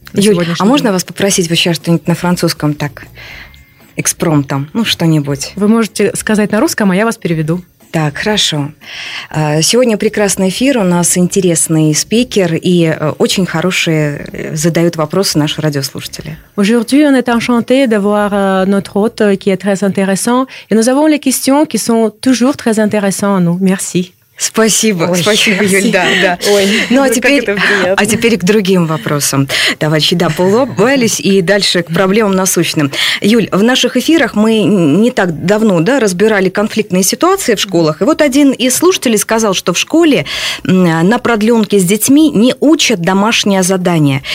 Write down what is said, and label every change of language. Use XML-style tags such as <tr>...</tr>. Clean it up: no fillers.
<ru>Юль, а можно вас попросить вообще что-нибудь на французском так, экспромтом, ну, что-нибудь? Вы можете сказать на русском, а я вас переведу. Так, хорошо. Сегодня прекрасный эфир, у нас интересный спикер, и очень хорошие задают вопросы наши радиослушатели.</ru> <fr>Aujourd'hui, on est enchanté d'avoir notre hôte qui est très intéressant, et nous avons les questions qui sont toujours très intéressantes à nous. Merci.</fr> <ru>Спасибо. Ой, спасибо, Юль, да, да. Ой, ну, а теперь к другим вопросам. Товарищи, да, полобались, и дальше к проблемам насущным. Юль, в наших эфирах мы не так давно, да, разбирали конфликтные ситуации в школах, и вот один из слушателей сказал, что в школе на продленке с детьми не учат домашнее задание.</ru>